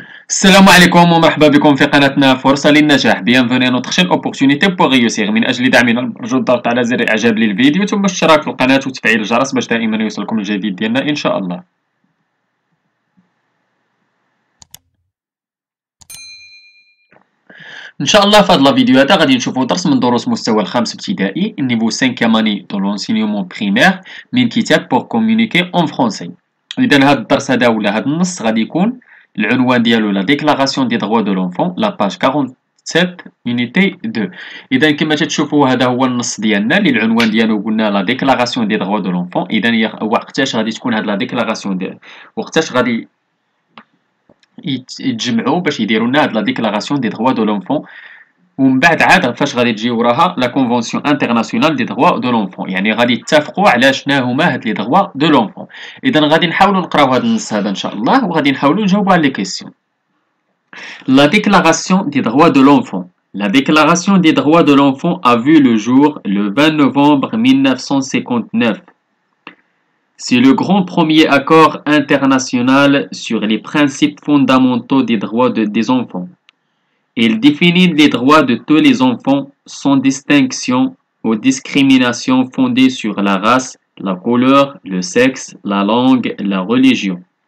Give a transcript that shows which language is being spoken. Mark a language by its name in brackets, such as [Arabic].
[Arabic] السلام عليكم ومرحبا بكم في قناتنا فرصة للنجاح. [French] Bienvenue à notre chaîne Opportunité pour réussir. [Arabic] من أجل دعمنا نرجو الضغط على زر الإعجاب للفيديو ثم الاشتراك في القناة وتفعيل الجرس باش دائما يوصلكم الجديد ديالنا إن شاء الله. ان شاء الله في هذا الفيديو هذا غادي نشوفوا درس من دروس مستوى الخامس ابتدائي النيفو 5 [French] اني دو لونسينيومون بريمير [Arabic] من كتاب [French] بور كومونيكي اون فرونسي. [Arabic] اذا هذا الدرس هذا ولا هذا النص غادي يكون العنوان ديالو [French] لا ديكلاراسيون دي دووا دو لونفون لا باج 47 يونيتي 2. [Arabic] اذا كما تشوفوا هذا هو النص ديالنا اللي العنوان ديالو قلنا [French] لا ديكلاراسيون دي دووا دو لونفون. [Arabic] اذا هي وقتاش غادي تكون هذه لا ديكلاراسيون ديال وقتاش غادي يتجمعوا باش يديروا لنا هذه [French] لا ديكلاراسيون دي دووا دو لونفون [Arabic] ومن بعد عاد فاش غادي تجي وراها [French] لا كونفونسيون انترناسيونال دي دووا دو لونفون [Arabic] يعني غادي يتفقوا على شنو هما هاد [French] لي دووا دو لونفون. [Arabic] اذا غادي نحاولوا نقراو هذا النص هذا ان شاء الله وغادي نحاولوا نجاوبوا على [French] لي كيسيون. لا ديكلاراسيون دي دووا دو لونفون. La déclaration des droits de l'enfant a vu le jour le 20 novembre 1959. C'est le grand premier accord international sur les principes fondamentaux des droits des enfants. Il définit les droits de tous les enfants sans distinction ou discrimination fondée sur la race, la couleur, le sexe, la langue, la religion.